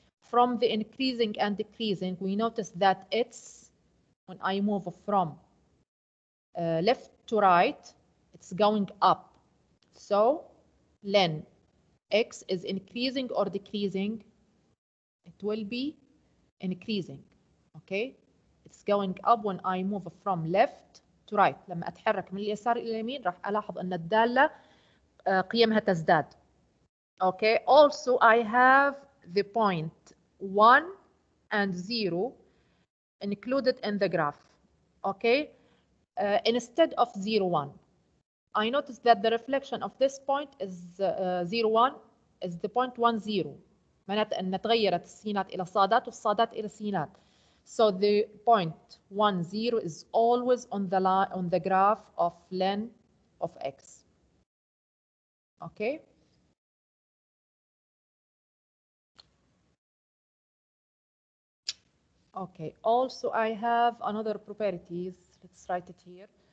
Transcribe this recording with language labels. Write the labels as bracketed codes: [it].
[en] From the increasing and decreasing, we notice that it's, when I move from left to right, it's going up. So when x is increasing or decreasing, it will be increasing, okay? It's going up when I move from left to right. [ar] لما أتحرك من اليسار إلى اليمين راح ألاحظ أن الدالة قيمها تزداد. [en] Okay. Also, I have the point 1 and 0 included in the graph. Okay. Instead of 0, 1, I notice that the reflection of this point is 0, 1 is the point 1, 0. [ar] معناته أن تغيرت السينات إلى صادات والصادات إلى سينات. [en] So the point 1, 0 is always on the line on the graph of ln of x. Okay. Okay. Also, I have another properties. Let's write it here.